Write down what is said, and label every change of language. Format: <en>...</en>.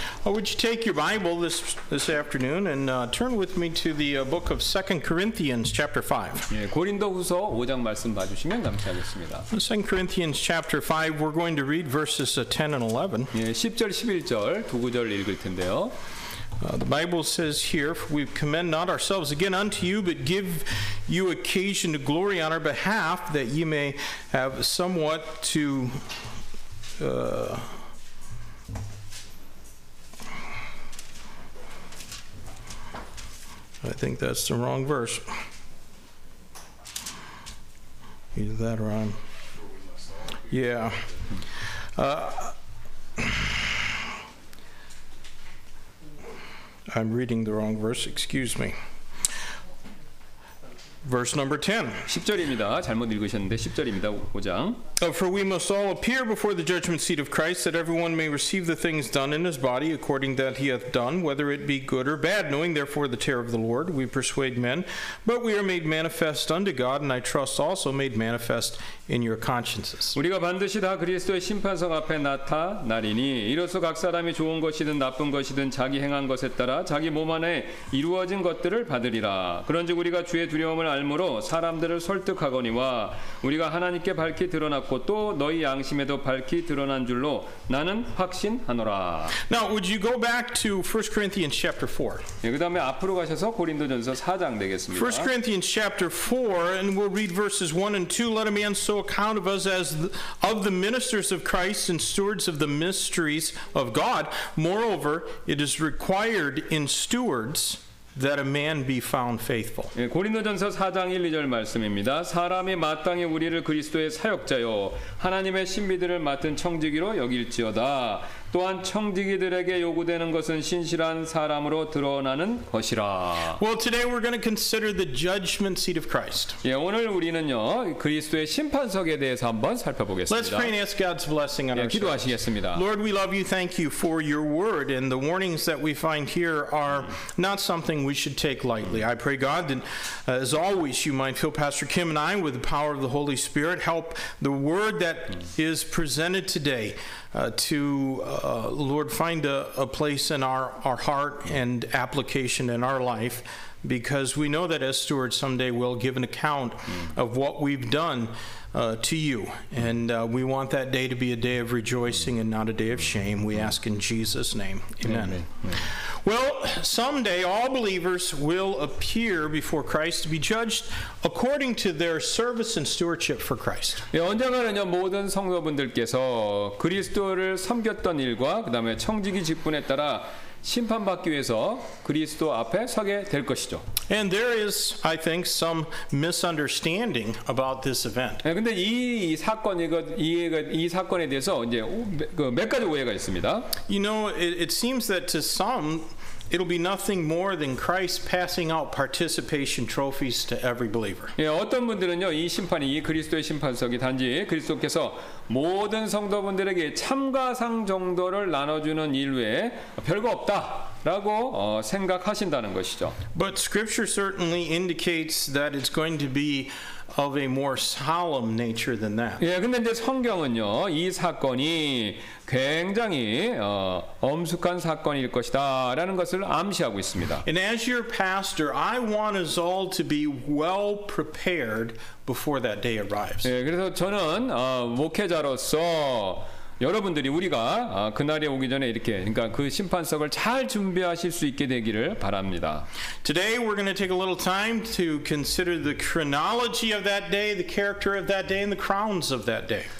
<en>Would you take your Bible this afternoon and turn with me to the book of 2 Corinthians chapter 5.</en> <ko>예, 고린도후서 5장 말씀 봐 주시면 감사하겠습니다.</ko> <en>2 Corinthians chapter 5 we're going to read verses 10 and 11.</en> <ko>예, 10절 11절 두 구절 읽을 텐데요.</ko> <en>The Bible says here, for we commend not ourselves again unto you, but give you occasion to glory on our behalf that ye may have somewhat to I think that's the wrong verse. Either that or I'm. Yeah. I'm reading the wrong verse. Excuse me. Verse number 10.</en> <ko>10절입니다. 잘못 읽으셨는데 10절입니다. 5장.</ko> <en>For we must all appear before the judgment seat of Christ, that everyone may receive the things done in his body according that he hath done, whether it be good or bad. Knowing therefore the terror of the Lord, we persuade men, but we are made manifest unto God, and I trust also made manifest in your consciences.</en> <ko>우리가 반드시 다 그리스도의 심판석 앞에 나타나리니 이로써 각 사람이 좋은 것이든 나쁜 것이든 자기 행한 것에 따라 자기 몸 안에 이루어진 것들을 받으리라. 그런즉 우리가 주의 두려움을 알므로 사람들을 설득하거니와 우리가 하나님께 밝히 드러났고 또 너희 양심에도 밝히 드러난 줄로 나는 확신하노라.</ko> <en>Now would you go back to 1 Corinthians chapter 4?</en> <ko>예, 그다음에 앞으로 가셔서 고린도전서 4장 되겠습니다.</ko> <en>1 Corinthians chapter 4 and we'll read verses 1 and 2. Let a man so account of us as of the ministers of Christ and stewards of the mysteries of God. Moreover, it is required in stewards that a man be found faithful.</en> <ko>고린도전서 4장 1, 2절 말씀입니다. 사람이 마땅히 우리를 그리스도의 사역자요 하나님의 신비들을 맡은 청지기로 여길지어다. 또한 청지기들에게 요구되는 것은 신실한 사람으로 드러나는 것이라.</ko> <en>Well, today we're going to consider the judgment seat of Christ.</en> <ko>예, 오늘 우리는요 그리스도의 심판석에 대해서 한번 살펴보겠습니다.</ko> <en>Let's pray and ask God's blessing on our</en> <ko>예, 기도하시겠습니다.</ko> <en>Lord, we love you. Thank you for your word and the warnings that we find here are not something we should take lightly. I pray God that, as always, you might fill Pastor Kim and I with the power of the Holy Spirit. Help the word that is presented today. Lord, find a place in our heart and application in our life, because we know that as stewards someday we'll give an account of what we've done to you, and we want that day to be a day of rejoicing and not a day of shame. We ask in Jesus' name. Amen. Amen. Well, someday all believers will appear before Christ to be judged according to their service and stewardship for Christ.</en> <ko>예, 언젠가는요 모든 성도분들께서 그리스도를 섬겼던 일과 그다음에 청지기 직분에 따라 심판받기 위해서 그리스도 앞에 서게 될 것이죠.</ko> <en>And there is, I think, some misunderstanding about this event.</en> <ko>예, 근데 이 사건에 대해서 이제 몇 가지 오해가 있습니다.</ko> <en>You know, it seems that to some, it'll be nothing more than Christ passing out participation trophies to every believer.</en> <ko>예, 어떤 분들은요, 이 심판이 이 그리스도의 심판석이 단지 그리스도께서 모든 성도분들에게 참가상 정도를 나눠주는 일 외에 별거 없다라고 생각하신다는 것이죠.</ko> <en>But Scripture certainly indicates that it's going to be of a more solemn nature than that.</en> <ko>예, 근데 이제 성경은요, 이 사건이 굉장히 엄숙한 사건일 것이다라는 것을 암시하고 있습니다.</ko> <en>And as your pastor, I want us all to be well prepared before that day arrives.</en> <ko>예, 그래서 저는 목회자로서 여러분들이 우리가 그날에 오기 전에 이렇게 그러니까 그 심판석을 잘 준비하실 수 있게 되기를 바랍니다.</ko> <en>Today we're going to take a little time to consider the chronology of that day, the character of that day, and the crowns of that day.</en>